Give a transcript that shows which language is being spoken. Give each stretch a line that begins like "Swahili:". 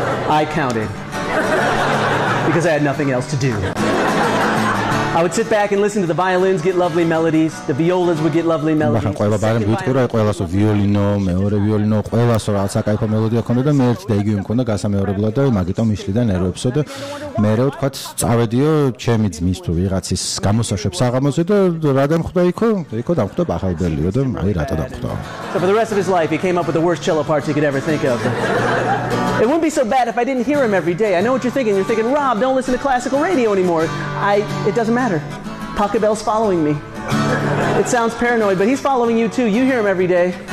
English: I counted because I had nothing else to do I would sit back and listen to the violins get lovely melodies the violas would get lovely melodies
Georgian: ახლა ყველა ბარემ ვიტყურა ყველასო ვიოლინო მეორე ვიოლინო ყველასო რა საკაიფო მელოდია ქონდა და მე ერთი და იგივე მქონდა გასამეორებლო და მაგიტომ ისლიდა ნერვებსო და მე რა ვთქვა წავედიო ჩემი ძმის თუ ვიღაცის გამოსაშვებ საღამოზე და რა დამხვდა იქო იქო დამხვდა ბახალბელიო და აი რატო დამხვდა
English: So for the rest of his life he came up with the worst cello parts he could ever think of It wouldn't be so bad if I didn't hear him every day. I know what you're thinking, Rob, don't listen to classical radio anymore. It doesn't matter. Pachelbel's following me. It sounds paranoid, but he's following you too. You hear him every day.